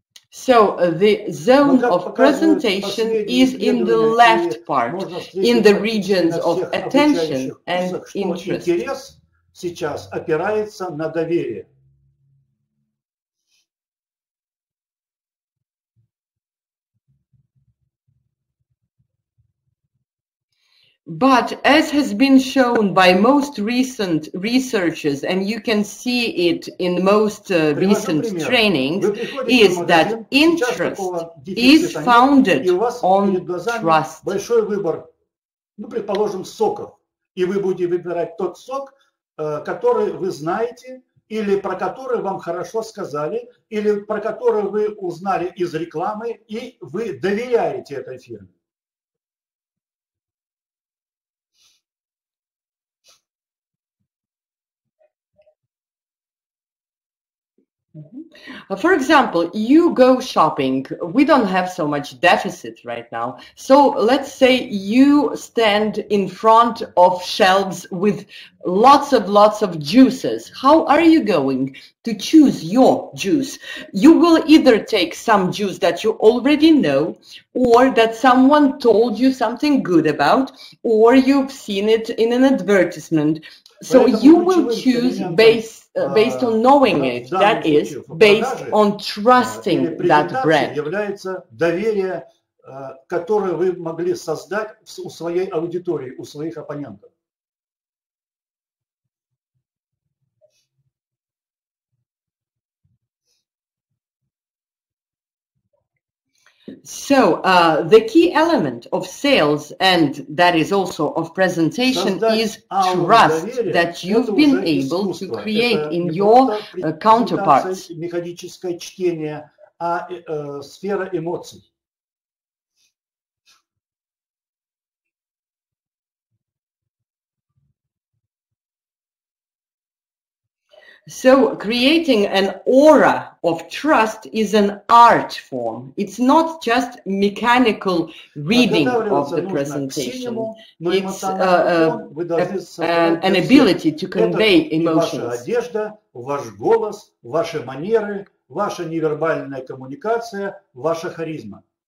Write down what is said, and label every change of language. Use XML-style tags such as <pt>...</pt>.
<en>So the zone of presentation is in the left part, in the regions of attention and interest.</en> <ru>Интерес сейчас опирается на доверие.</ru> <en>But as has been shown by most recent researchers, and you can see it in most recent trainings, is that interest is founded on trust.</en> <ru>Большой выбор. Ну, предположим, соков. И вы будете выбирать тот сок, который вы знаете, или про который вам хорошо сказали, или про который вы узнали из рекламы, и вы доверяете этой фирме.</ru> <en>For example, you go shopping. We don't have so much deficit right now. So let's say you stand in front of shelves with lots of juices. How are you going to choose your juice? You will either take some juice that you already know, or that someone told you something good about, or you've seen it in an advertisement. So you will choose based on knowing it, that is, based on trusting that brand.</en> <ru>Является доверие, которое вы могли создать у своей аудитории, у своих оппонентов.</ru> <en>So, the key element of sales, and that is also of presentation, is trust that you've been able to create in your counterparts.</en> <ru>Механическое чтение, а сфера эмоций.</ru> <en>So creating an aura of trust is an art form. It's not just mechanical reading of the presentation. It's an ability to convey emotions.</en> <ru>Ваша одежда, ваш голос, ваши манеры, ваша невербальная коммуникация, ваша харизма.</ru>